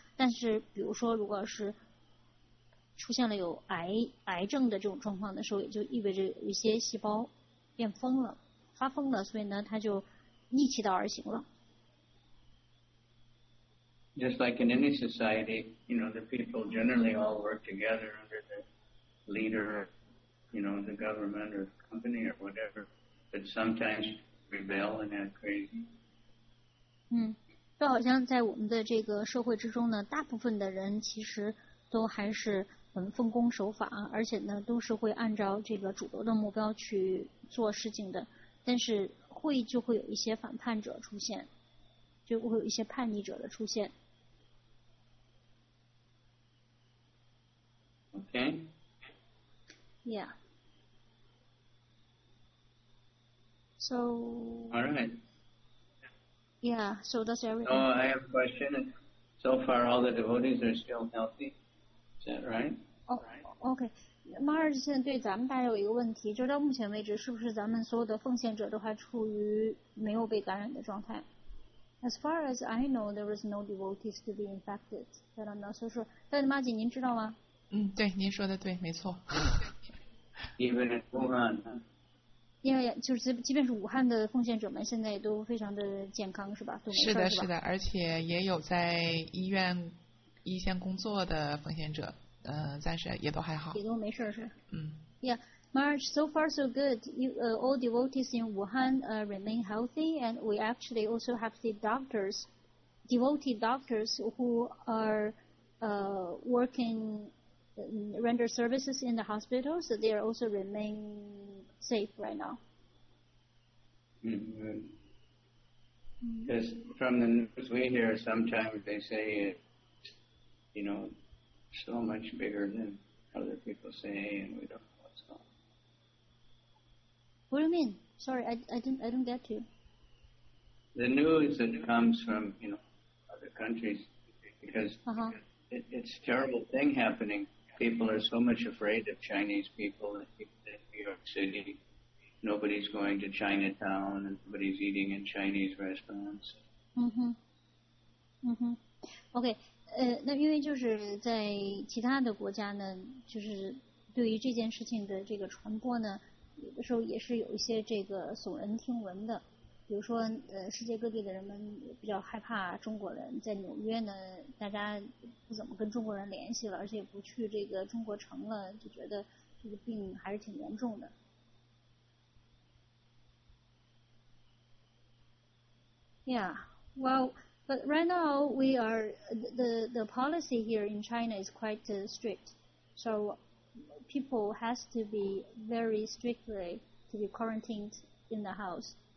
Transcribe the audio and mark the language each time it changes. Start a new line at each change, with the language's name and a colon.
Chinese: 但是比如说如果是出现了有癌症的这种状况的时候，也就意味着有些细胞变疯了，发疯了，所以呢它就逆其道而行了。
English: Just like in any society, you know, the people generally all work together under the leader of, you know, the government or company or whatever, but sometimes rebel and act crazy.
Chinese: 就好像在我们的这个社会之中呢，大部分的人其实都还是奉公守法，而且呢都是会按照这个主流的目标去做事情的，但是会就会有一些反叛者出现，就会有一些叛逆者的出现。
English: Okay. Yeah. So. All right. Yeah, so does everything. Oh, I have a question. So far, all the devotees are still healthy. Is that right? Oh, okay.
Chinese: Maharaj 现在对咱们大家有一个问题，就到目前为止，是不是咱们所有的奉献者都还处于没有被感染的状态？
English: As far as I know, there is no devotees to be infected. That I'm not so sure.
Chinese: 但是马姐，您知道吗？对，您说的对，没错。
English: Even in Wuhan,
Chinese: yeah, yeah, 就是即便是武汉的奉献者们现在也都非常的健康，是吧？都没事，是的，是的，而且也有在医院一线工作的奉献者，暂时也都还好，也都没事，是。
English: Yeah, Maharaj, so far so good. You, all devotees in Wuhan, remain healthy, and we actually also have the doctors, devotee doctors who are, working. Render services in the hospital, so they are also remain safe right now. Because from the news we hear, sometimes they say it's, you know, so much bigger than other people say, and we don't know what's going on. What do you mean? Sorry, I don't get you. the news that comes from, you know, other countries, because it's a terrible thing happening. People are so much afraid of Chinese people in New York City. Nobody's going to Chinatown, and nobody's eating in Chinese restaurants. Mm-hmm. Mm-hmm. Okay.
Chinese: 那因为就是在其他的国家呢，就是对于这件事情的这个传播呢，有的时候也是有一些这个耸人听闻的。比如说，世界各地的人们比较害怕中国人，在纽约呢，大家不怎么跟中国人联系了，而且不去这个中国城了，就觉得这个病还是挺严重的。
English: Yeah, well, but right now we are the policy here in China is quite strict, so people has to be very strictly to be quarantined in the house.